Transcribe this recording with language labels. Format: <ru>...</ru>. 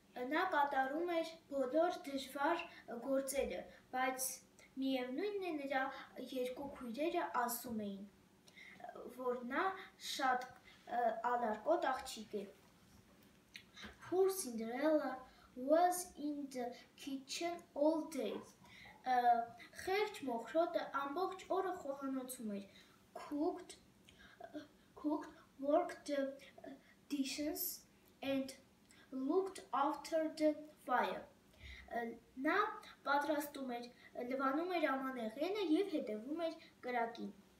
<hy>Նա կատարում էր բոլոր դժվար գործերը, բայց միևնույնն է նրա երկու քույրերը ասում էին, որ նա շատ անարկոտ աղջիկ է.</hy> <en>Poor Cinderella was in the kitchen all day.</en> <hy>Խեղճ Մոխրոտը ամբողջ օրը խոհանոցում էր.</hy> <en>Cooked, worked the dishes and looked after the fire.</en> <hy>Նա պատրաստում էր, լվանում էր ամանեղենը եւ հետևում էր կրակին.</hy>